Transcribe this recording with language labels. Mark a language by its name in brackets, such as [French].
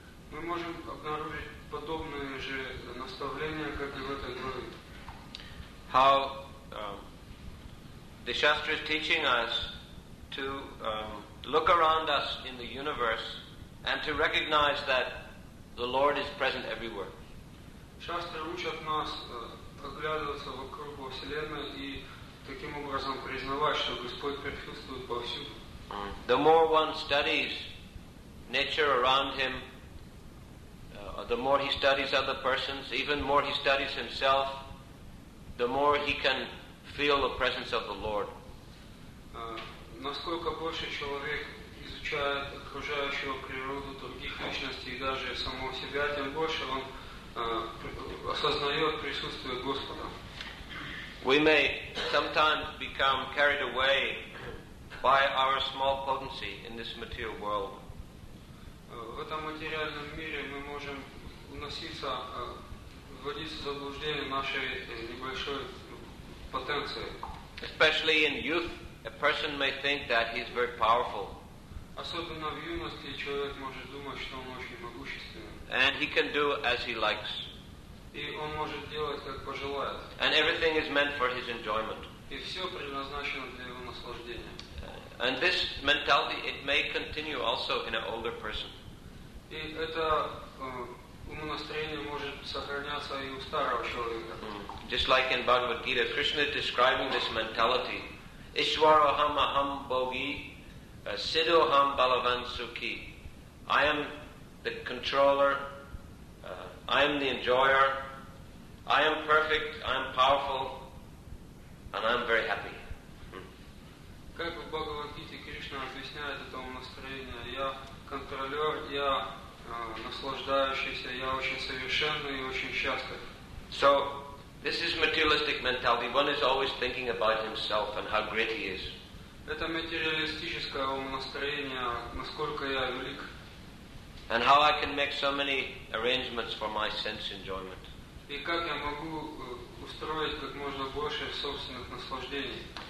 [Russian] Мы можем обнаружить подобные же наставления, как и в этой главе. [English] How the Shastra is teaching us to look around us in the universe and to recognize that the Lord is present everywhere. [Russian] Shastra учит нас оглядываться вокруг во Вселенной и таким образом признавать, что Господь присутствует повсюду. [English] The more one studies nature around him, the more he studies other persons, even more he studies himself, the more he can feel the presence of the Lord. [Russian] Насколько больше человек изучает окружающую природу, других личностей и даже самого себя, тем больше он осознает присутствие Господа. [English] We may sometimes become carried away by our small potency in this material world. [Russian] В этом материальном мире мы можем уноситься, вводиться в заблуждение нашей небольшой потенции. [English] Especially in youth, a person may think that he is very powerful. [Russian] Особенно в юности человек может думать, что он очень могущественный. [English] And he can do as he likes. [Russian] И он может делать, как пожелает. [English] And everything is meant for his enjoyment. [Russian] И все предназначено для его наслаждения. [English] And this mentality, it may continue also in an older person. [Russian] И это умонастроение может сохраняться и у старого человека. [English] Just like in Bhagavad Gita, Krishna is describing this mentality. [Sanskrit] Ishwaraham aham bogi, siddhoham balavan sukhi. [English] I am the controller, I am the enjoyer, I am perfect, I am powerful, and I am very happy. [Russian] Как в Бхагавад-гите Кришна объясняет это умонастроение? Я контролер, я наслаждающийся, я очень совершенный и очень счастлив. [English] So, this is materialistic mentality. One is always thinking about himself and how great he is. [Russian] Это материалистическое умонастроение, насколько я велик. [English] And how I can make so many arrangements for my sense enjoyment. [Russian] И как я могу устроить как можно больше собственных наслаждений.